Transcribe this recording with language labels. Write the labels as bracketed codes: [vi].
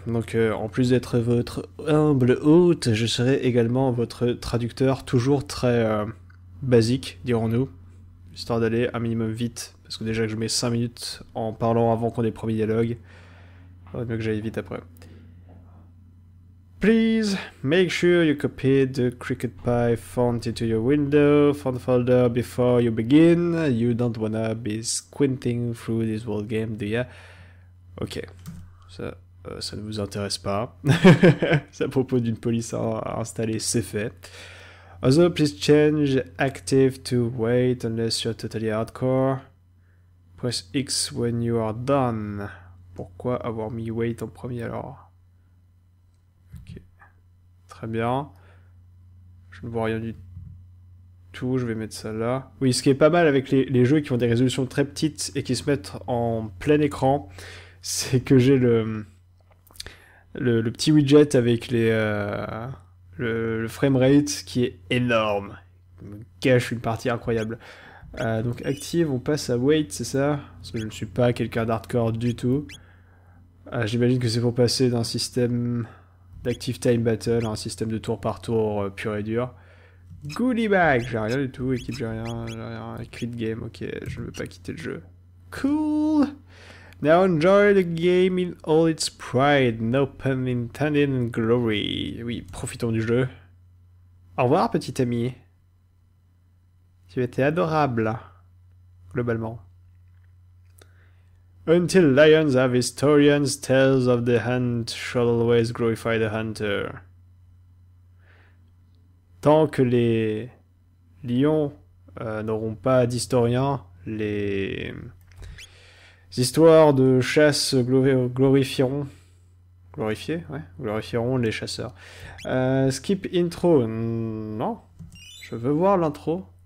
[fr] Donc, en plus d'être votre humble hôte, je serai également votre traducteur, toujours très basique, dirons-nous. Histoire d'aller un minimum vite. Parce que déjà que je mets 5 minutes en parlant avant qu'on ait le premier dialogue, il vaut mieux que j'aille vite après. [en] Please make sure you copy the CricketPie font into your window font folder before you begin. You don't wanna be squinting through this world game, do ya? [fr] Ok. Ça ne vous intéresse pas. C'est à propos d'une police à installer, c'est fait. [en] Also, please change active to wait unless you're totally hardcore. Press X when you are done. [fr] Pourquoi avoir mis wait en premier alors? Très bien. Je ne vois rien du tout. Je vais mettre ça là. Oui, ce qui est pas mal avec les jeux qui ont des résolutions très petites et qui se mettent en plein écran, c'est que j'ai le petit widget avec le framerate qui est énorme. Il me gâche une partie incroyable. Donc active, on passe à wait, c'est ça? Parce que je ne suis pas quelqu'un d'hardcore du tout. J'imagine que c'est pour passer d'un système d'Active Time Battle, un système de tour par tour pur et dur. Goodie bag, j'ai rien du tout, équipe, j'ai rien. Quit game, ok, je ne veux pas quitter le jeu. [en] Cool! Now enjoy the game in all its pride, no pun intended and glory. [fr] Oui, profitons du jeu. Au revoir, petit ami. Tu étais adorable, globalement. [en] Until lions have historians, tales of the hunt shall always glorify the hunter. [fr] Tant que les lions n'auront pas d'historiens, les histoires de chasse glorifieront les chasseurs. Skip intro. Non. Je veux voir l'intro.